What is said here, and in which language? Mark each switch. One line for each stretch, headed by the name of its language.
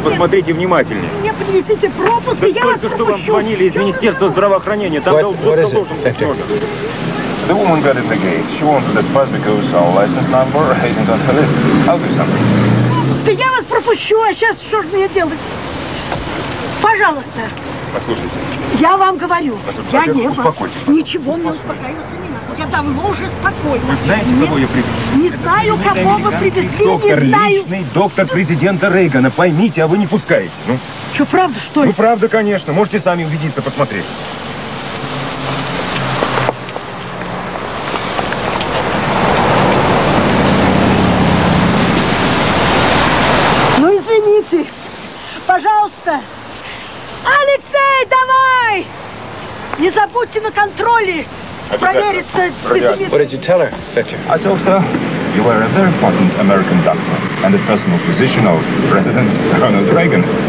Russian: Посмотрите внимательнее. Мне принесите пропуск, я только что вам звонили из Министерства здравоохранения. Там должен
English: The woman got in the gate. She wanted a spaz because our license number isn't on her list. I'll do something.
Russian: Да я вас пропущу, а сейчас что же мне делать? Пожалуйста. Послушайте. Я вам говорю. Я не вас. Успокойтесь. Ничего мне успокаивать не надо. Я давно уже спокойно. Вы знаете, кого я привезли? Не знаю, кого вы привезли, доктор, не знаю. Личный доктор президента Рейгана. Поймите, а вы не пускаете. Ну. Что, правда, что ли? Ну, правда, конечно. Можете сами убедиться, посмотреть. Ну, извините. Пожалуйста. Алексей, давай! Не забудьте на контроле.
English: What did you tell her, Victor? I told her you were a very important American doctor and a personal physician of President Ronald Reagan.